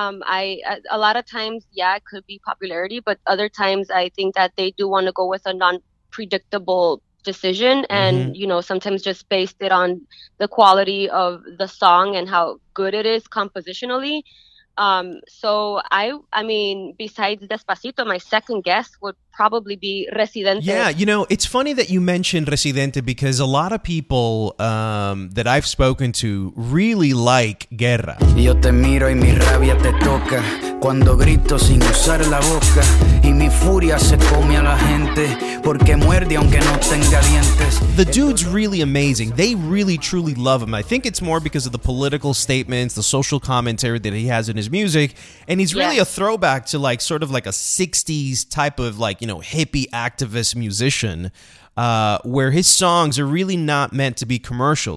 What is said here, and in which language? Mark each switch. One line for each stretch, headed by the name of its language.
English: A lot of times, it could be popularity, but other times I think that they do want to go with a non-predictable decision, and you know, sometimes just based it on the quality of the song and how good it is compositionally. So I mean besides Despacito, my second guess would probably be Residente. Yeah, you know, it's funny that you mentioned Residente, because a lot of people that I've spoken to really like Guerra.
Spanish: Yo te miro y mi rabia te toca cuando grito sin usar la boca y mi furia se come a la gente porque muerde aunque no tenga dientes.
English: The dude's really amazing. They really truly love him. I think it's more because of the political statements, the social commentary that he has in his music, and he's really a throwback to like sort of like a 60s type of like, you know, hippie activist musician, where his songs are really not meant to be commercial.